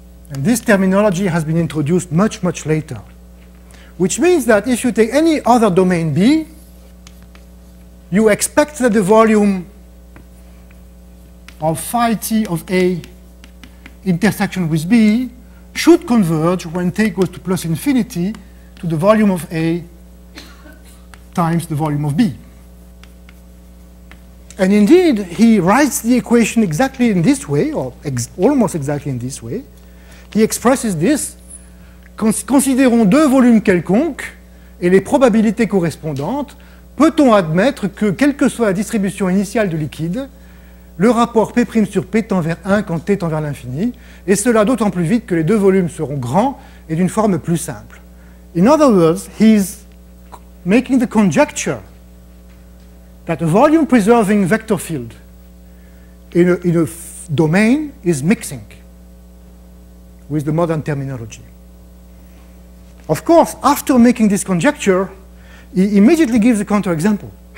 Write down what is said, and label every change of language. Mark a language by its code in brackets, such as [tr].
[en] And this terminology has been introduced much, much later, which means that if you take any other domain B, you expect that the volume of phi t of A intersection with B should converge when t goes to plus infinity to the volume of A times the volume of B. And indeed, he writes the equation exactly in this way, or almost exactly in this way. He expresses this. [fr] Considérons deux volumes quelconques et les probabilités correspondantes. Peut-on admettre que, quelle que soit la distribution initiale du liquide, le rapport P' sur P tend vers 1 quand T tend vers l'infini, et cela d'autant plus vite que les deux volumes seront grands et d'une forme plus simple. [en] In other words, he's making the conjecture that a volume-preserving vector field in a domain is mixing with the modern terminology. Of course, after making this conjecture, he immediately gives a counterexample.